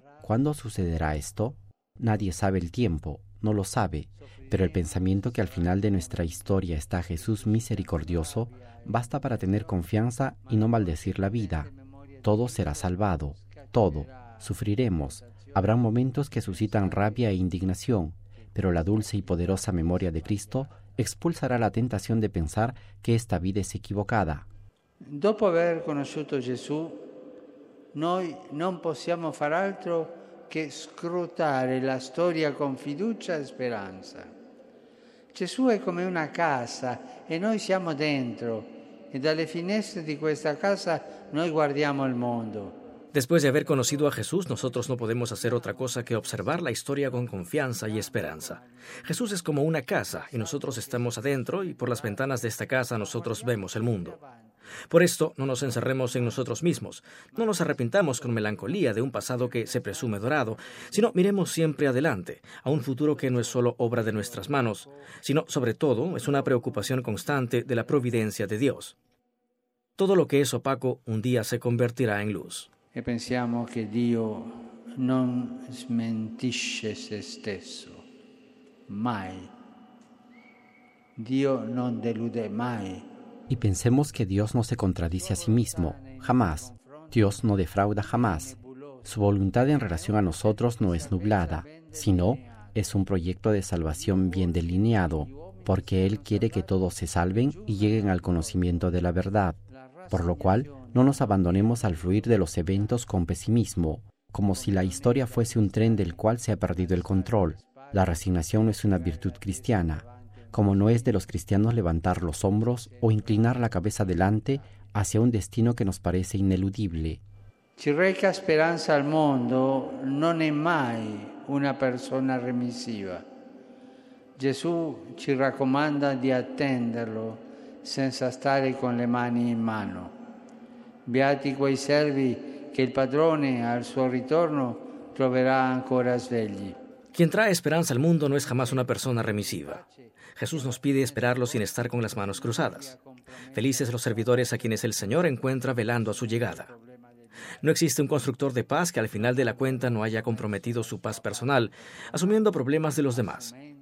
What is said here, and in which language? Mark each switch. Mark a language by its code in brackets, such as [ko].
[es] ¿Cuándo sucederá esto? Nadie sabe el tiempo, no lo sabe, pero el pensamiento que al final de nuestra historia está Jesús misericordioso basta para tener confianza y no maldecir la vida. Todo será salvado, todo. Sufriremos, habrá momentos que suscitan rabia e indignación, pero la dulce y poderosa memoria de Cristo expulsará la tentación de pensar que esta vida es equivocada. [it] Dopo aver conosciuto Gesù, noi non possiamo far altro che scrutare la storia con fiducia e speranza. Gesù è come una casa e noi siamo dentro, e dalle finestre di questa casa noi guardiamo il mondo. [es] Después de haber conocido a Jesús, nosotros no podemos hacer otra cosa que observar la historia con confianza y esperanza. Jesús es como una casa, y nosotros estamos adentro, y por las ventanas de esta casa nosotros vemos el mundo. Por esto, no nos encerremos en nosotros mismos, no nos arrepintamos con melancolía de un pasado que se presume dorado, sino miremos siempre adelante, a un futuro que no es solo obra de nuestras manos, sino, sobre todo, es una preocupación constante de la providencia de Dios. Todo lo que es opaco un día se convertirá en luz. [it] E pensiamo che Dio non smentisce se stesso, mai. Dio non delude mai. [es] Y pensemos que Dios no se contradice a sí mismo, jamás. Dios no defrauda jamás. Su voluntad en relación a nosotros no es nublada, sino es un proyecto de salvación bien delineado, porque Él quiere que todos se salven y lleguen al conocimiento de la verdad, por lo cual no nos abandonemos al fluir de los eventos con pesimismo, como si la historia fuese un tren del cual se ha perdido el control. La resignación no es una virtud cristiana, como no es de los cristianos levantar los hombros o inclinar la cabeza adelante hacia un destino que nos parece ineludible. [it] Ci reca esperanza [es] al mundo [it] non è mai una persona remissiva. Gesù ci raccomanda di attenderlo senza stare con le mani in mano. Beati quei servi che il padrone al suo ritorno troverà ancora svegli. [es] Quien trae esperanza al mundo no es jamás una persona remisiva. Jesús nos pide esperarlo sin estar con las manos cruzadas. Felices los servidores a quienes el Señor encuentra velando a su llegada. No existe un constructor de paz que al final de la cuenta no haya comprometido su paz personal, asumiendo problemas de los demás.